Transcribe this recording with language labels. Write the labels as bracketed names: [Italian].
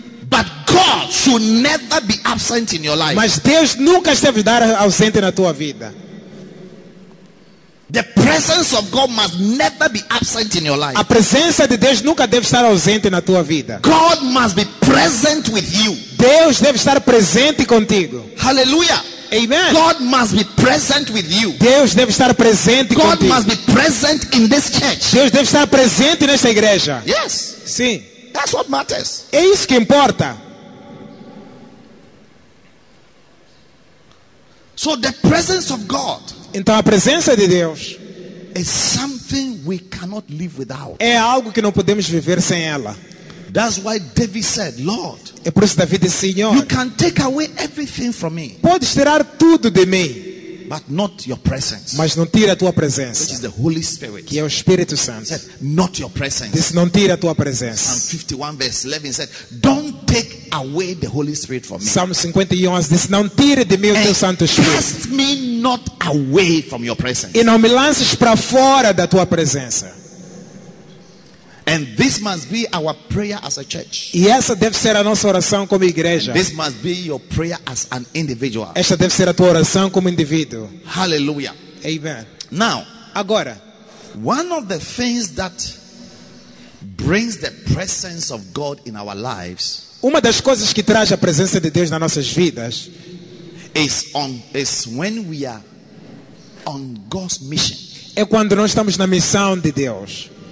[English] But God should never be absent in your life. [Portuguese] Mas Deus nunca deve estar ausente na tua vida. [English] The presence of God must never be absent in your life. [Portuguese] A presença de Deus nunca deve estar ausente na tua vida. [English] God must be present with you. [Portuguese] Deus deve estar presente contigo. [English] Hallelujah. [Portuguese] Amen. [English] God must be present with you. [Portuguese] Deus deve estar presente [English] God [Portuguese] contigo. [English] God must be present in this church. [Portuguese] Deus deve estar presente nesta igreja. [English] Yes. [Portuguese] Sim. [English] That's what matters. [Portuguese] É isso que importa. [English] So the presence of God. [Portuguese] Então a presença de Deus [English] is something we cannot live without. [Portuguese] É algo que não podemos viver sem ela. [English] That's why David said, Lord. [Portuguese] É por isso que David disse, Senhor, [English] you can take away everything from me. [Portuguese] Pode tirar tudo de mim, [English] but not your presence. [Portuguese] Mas não tira a tua presença. [English] Which is the Holy Spirit. [Portuguese] Que é o Espírito Santo. [English] Said, not your presence. [Portuguese] Diz, não tira a tua presença. [English] Psalm 51 verse 11 said, don't take away the Holy Spirit from me. [Portuguese] Psalm 51 diz, não tire de mim o teu Santo Espírito. [English] Cast me not away from your presence. [Portuguese] E não me lances para fora da tua presença. [English] And this must be our prayer as a church. [Portuguese] E essa deve ser a nossa oração como igreja. [English] And this must be your prayer as an individual. [Portuguese] Esta deve ser a tua oração como indivíduo. [English] Hallelujah. [Portuguese] Amen. [English] Now, [Portuguese] agora, [English] one of the things that brings the presence of God in our lives, [Portuguese] uma das coisas que traz a presença de Deus nas nossas vidas, [English] is when we are on God's mission. [Portuguese] É quando nós estamos na missão de Deus.